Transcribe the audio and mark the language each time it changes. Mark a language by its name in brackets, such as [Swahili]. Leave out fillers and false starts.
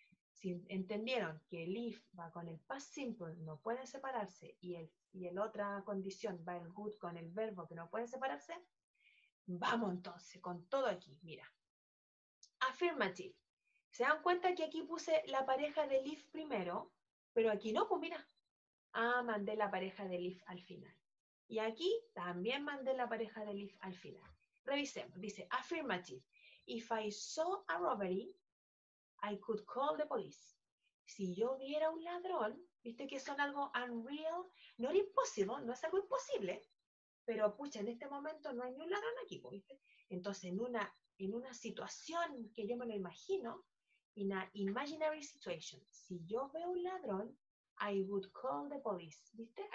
[Spanish] Si entendieron que el if va con el past simple, no pueden separarse, y el otra condición va el good con el verbo, que no pueden separarse, vamos entonces con todo aquí. Mira, affirmative. ¿Se dan cuenta que aquí puse la pareja del if primero? Pero aquí no, pues mira. Ah, mandé la pareja del if al final. Y aquí también mandé la pareja del if al final. Revisemos. Dice, affirmative. [English] If I saw a robbery, I could call the police. [Spanish] Si yo viera un ladrón, viste que son algo unreal, no era imposible, no es algo imposible, pero pucha, en este momento no hay ni un ladrón aquí, ¿viste? Entonces, en una situación que yo me lo imagino, [English] in an imaginary situation, [Spanish] si yo veo un ladrón, [English] I would call the police, [Spanish] ¿viste?